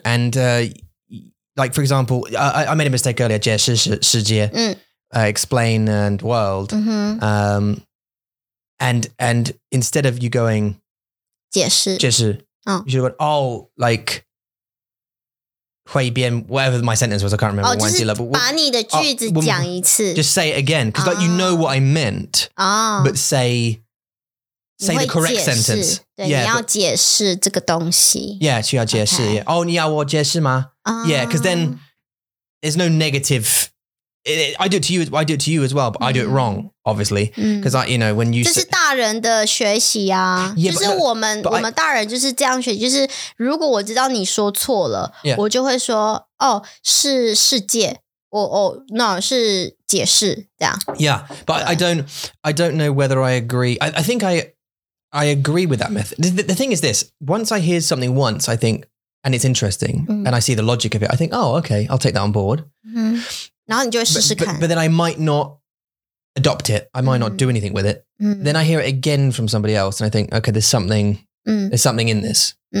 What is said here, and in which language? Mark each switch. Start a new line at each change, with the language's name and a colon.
English: And like, for example, I made a mistake earlier,
Chinese: 解释世界,
English: explain and world. Mm-hmm. And instead of you going,
Chinese: 解释,
English: you should have gone, oh, like,
Chinese: 回边,
English: whatever my sentence was, I can't remember.
Chinese: Oh, 就是把你的句子讲一次。
English: Just say it again, because like, you know what I meant, but say the correct sentence.
Chinese: 对,你要解释这个东西。
English: Yeah,
Chinese: 需要解释,
English: okay. Yeah. Oh,
Chinese: 你要我解释吗?
English: Yeah, because then there's no negative. I do it to you as well, but I do it wrong, obviously. Because I, you know, when you...
Chinese: 这是大人的学习啊。就是我们大人就是这样学习。就是如果我知道你说错了,我就会说,哦,是世界。哦,哦,那是解释,这样。Yeah,
English: but I don't know whether I agree. I think I agree with that method. The thing is this, once I hear something once, I think, and it's interesting, and I see the logic of it, I think, oh, okay, I'll take that on board.
Chinese: Mm. 然后你就会试试看。
English: But then I might not adopt it. I might not do anything with it. Then I hear it again from somebody else and I think, okay, there's something in this.